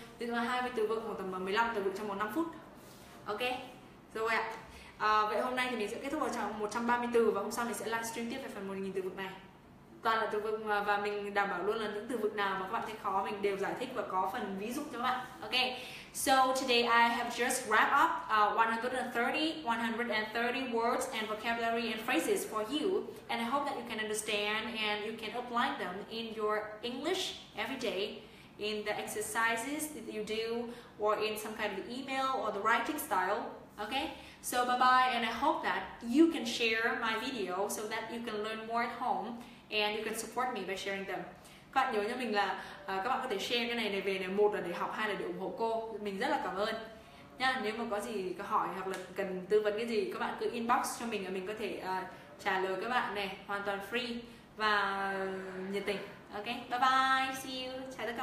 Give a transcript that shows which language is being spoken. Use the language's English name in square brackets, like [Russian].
[Vietnamese] Ví dụ là 20 từ vựng khoảng tầm 15 từ vựng trong 1 năm phút. Ok rồi ạ. Vậy hôm nay thì mình sẽ kết thúc vào 130 từ và hôm sau mình sẽ livestream tiếp về phần 1.000 từ vựng này. Toàn là từ vựng và mình đảm bảo luôn là những từ vựng nào mà các bạn thấy khó mình đều giải thích và có phần ví dụ cho các bạn. [English] Ok, so today I have just wrapped up 130 words and vocabulary and phrases for you, and I hope that you can understand and you can apply them in your English every day, in the exercises that you do, or in some kind of email or the writing style. Ok, so bye-bye, and I hope that you can share my video so that you can learn more at home and you can support me by sharing them. [Vietnamese] Các bạn nhớ cho mình là các bạn có thể share cái này này về này, một là để học, hai là để ủng hộ cô. Mình rất là cảm ơn. nhá. Nếu mà có gì câu hỏi hoặc là cần tư vấn cái gì, các bạn cứ inbox cho mình và mình có thể trả lời các bạn này, hoàn toàn free và nhiệt tình. [English] Ok, bye bye, see you.